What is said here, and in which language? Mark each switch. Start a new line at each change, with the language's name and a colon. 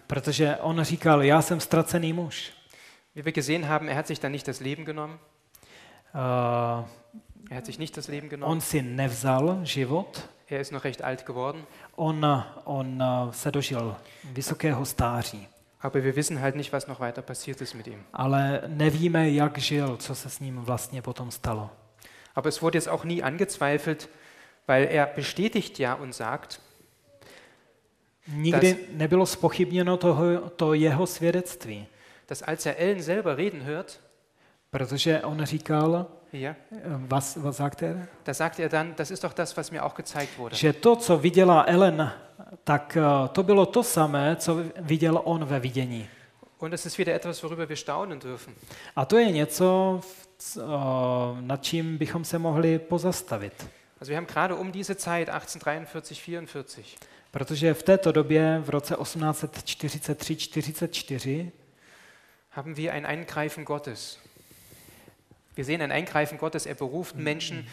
Czech: Protože on říkal, já jsem ztracený muž.
German: Wie wir gesehen haben, er hat sich dann nicht das Leben genommen. Er hat sich nicht das Leben genommen.
Czech: On si nevzal život.
German: Er ist noch recht alt geworden.
Czech: On se dožil vysokého stáří.
German: Aber wir wissen halt nicht, was noch weiter passiert ist mit ihm.
Czech: Ale nevíme, jak žil, co se s ním vlastně potom stalo.
German: Aber es wurde jetzt auch nie angezweifelt, weil er bestätigt ja und sagt.
Czech: Nikdy nebylo spochybněno to jeho svědectví.
German: Dass als er Ellen selber reden hört.
Czech: Protože on říkal.
German: Ja. Was sagt er? Da sagt er dann, das ist doch das, was mir auch gezeigt wurde.
Czech: Že to, co viděla Ellen, tak to bylo to samé, co viděl on ve vidění.
German: Und es ist wieder etwas, worüber wir staunen dürfen.
Czech: A to je něco, nad čím bychom se mohli pozastavit.
German: Also wir haben gerade um diese Zeit 1843-44.
Czech: Protože v této době v roce 1843-44
German: haben wir ein Eingreifen Gottes. Wir sehen ein Eingreifen Gottes, er beruft Menschen.